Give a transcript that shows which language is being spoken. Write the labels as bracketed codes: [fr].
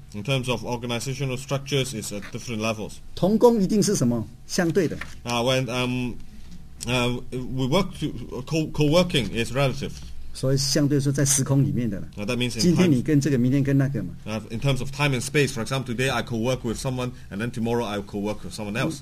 [en] In terms of organizational structures, it's at different levels. [zh] 同工一定是什么?相对的。 [en] When we work, co-working is relative. [zh] 所以相对说在时空里面的了。 [en] That means in [zh] 今天你跟这个，明天跟那个嘛。 [en] In terms of time and space, for example, today I co-work with someone, and then tomorrow I co-work with someone else.